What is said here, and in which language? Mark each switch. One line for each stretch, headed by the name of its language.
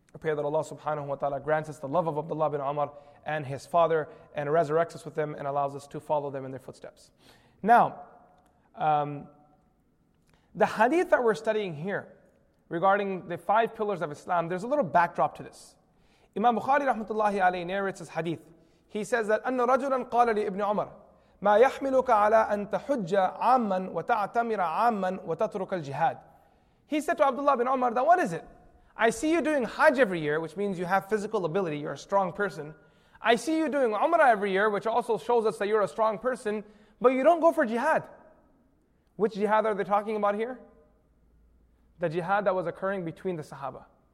English: I pray that Allah subhanahu wa ta'ala grants us the love of Abdullah bin Umar and his father, and resurrects us with them and allows us to follow them in their footsteps. Now, the hadith that we're studying here regarding the five pillars of Islam, there's a little backdrop to this. Imam Bukhari rahmatullahi alayhi narrates this hadith. He says that
Arabic: أن رجلا قال لابن عمر ما يحملك على أن تحج عاما وتعتمر عاما وتترك الجهاد.
English: He said to Abdullah bin Umar, "That what is it? I see you doing Hajj every year, which means you have physical ability, you're a strong person. I see you doing Umrah every year, which also shows us that you're a strong person, but you don't go for jihad." Which jihad are they talking about here? The jihad that was occurring between the Sahaba.